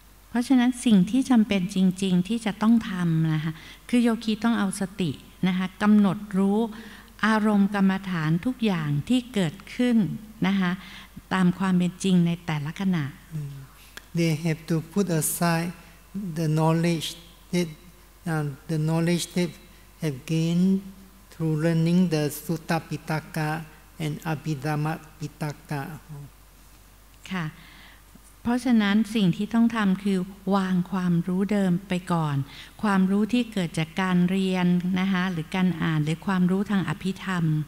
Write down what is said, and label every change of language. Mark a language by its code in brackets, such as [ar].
[th] เพราะฉะนั้นสิ่งที่จำเป็นจริงๆที่จะต้องทำนะคะคือโยคีต้องเอาสตินะคะกำหนดรู้อารมณ์กรรมฐานทุกอย่างที่เกิดขึ้นนะคะตามความเป็นจริงในแต่ละขณะ [en] They have to put aside the knowledge that the knowledge they have gained through learning the Sutta Pitaka and Abhidhamma Pitaka. [th] ค่ะเพราะฉะนั้นสิ่งที่ต้องทำคือวางความรู้เดิมไปก่อนความรู้ที่เกิดจากการเรียนนะคะหรือการอ่านหรือความรู้ทางอภิธรรม